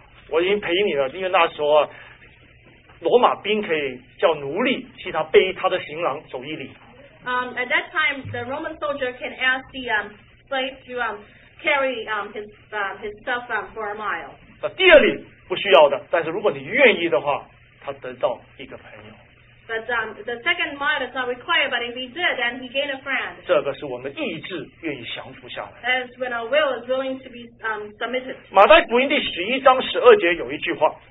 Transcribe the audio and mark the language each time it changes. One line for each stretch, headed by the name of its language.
Chinese: 我已经陪你了，因为那时候罗马兵可以叫奴隶替他背他的行囊走一里。
English: At that time, the Roman soldier can ask the slave to carry his stuff for a mile.
Chinese: 第二里不需要的，但是如果你愿意的话，他得到一个朋友。
English: But the second mile is not required, but if he did, then he gained a friend.
Chinese: 这个是我们意志愿意降服下来。
English: That is when our will is willing to be submitted.
Chinese: 马太福音第11章12节有一句话。